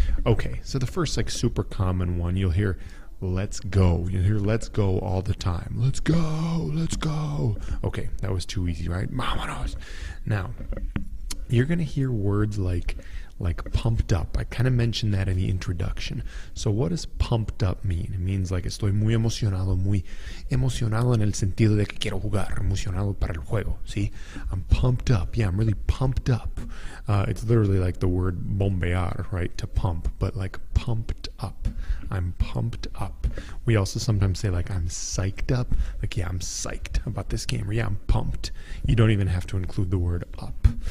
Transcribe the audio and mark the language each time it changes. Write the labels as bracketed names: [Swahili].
[English] Okay, so the first, like, super common one, you'll hear let's go. You'll hear let's go all the time. Let's go, let's go. Okay, that was too easy, right? Vámonos. Now, you're going to hear words like pumped up. I kind of mentioned that in the introduction. So what does pumped up mean? It means like [Spanish] estoy muy emocionado en el sentido de que quiero jugar, emocionado para el juego, [English] see? I'm pumped up. Yeah, I'm really pumped up. It's literally like the word bombear, right, to pump, but like pumped up. I'm pumped up. We also sometimes say like I'm psyched up, like yeah, I'm psyched about this game, or yeah, I'm pumped. You don't even have to include the word up.